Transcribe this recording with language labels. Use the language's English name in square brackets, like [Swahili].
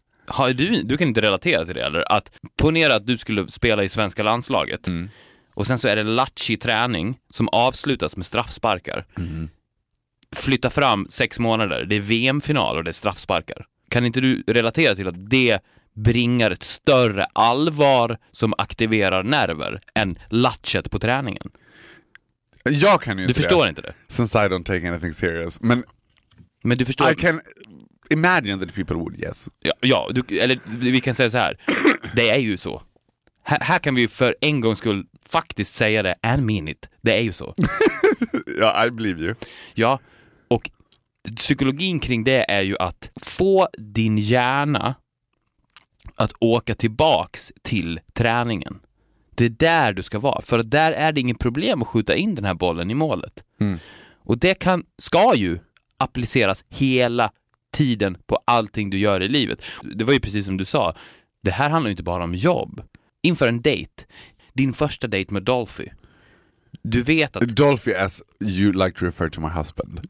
[Swedish] Har du, du kan inte relatera till det, eller? Att ponera att du skulle spela i svenska landslaget, och sen så är det latchig träning som avslutas med straffsparkar. Flytta fram 6 månader, det är VM-final och det är straffsparkar. Kan inte du relatera till att det bringar ett större allvar som aktiverar nerver än latchet på träningen? Jag kan ju inte. Du förstår inte det. [English] Since I don't take anything serious. [Swedish] Men, du förstår. [English] I can imagine that people would, yes. [Swedish] Ja, ja, du, eller vi kan säga så här. Det är ju så. Här kan vi för en gångs skull faktiskt säga det [English] and mean it. [Swedish] Det är ju så. [English] Ja, yeah, I believe you. [Swedish] Ja, och psykologin kring det är ju att få din hjärna att åka tillbaks till träningen. Det är där du ska vara. För där är det ingen problem att skjuta in den här bollen i målet. Och det kan, ska ju appliceras hela tiden på allting du gör i livet. Det var ju precis som du sa. Det här handlar ju inte bara om jobb. Inför en dejt. Din första dejt med Dolphy. Du vet att... [English] Dolphy, as you like to refer to my husband.